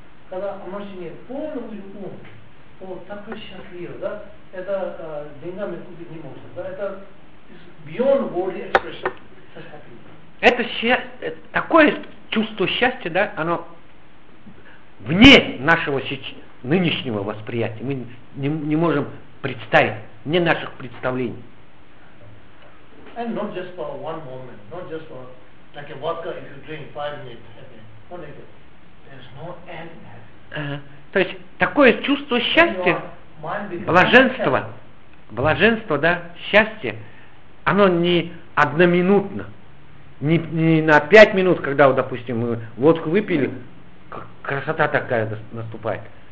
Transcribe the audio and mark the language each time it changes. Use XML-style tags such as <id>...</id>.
<ru>Когда омрачение полный ум, он такой счастливый, да, это деньгами купить не можно, да, это</ru> <en>beyond worldly expression.</en> <ru>Это такое чувство счастья, да, оно вне нашего нынешнего восприятия. Мы не можем представить, вне наших представлений.</ru> <en>And not just for one moment, not just for like a vodka if you drink 5 minutes, okay. What is it? There's no end.</en> <ru>То есть такое чувство счастья, блаженство, блаженство, да, счастье, оно не одноминутно, не на 5 минут, когда, вот, допустим, мы водку выпили, красота такая наступает.</ru>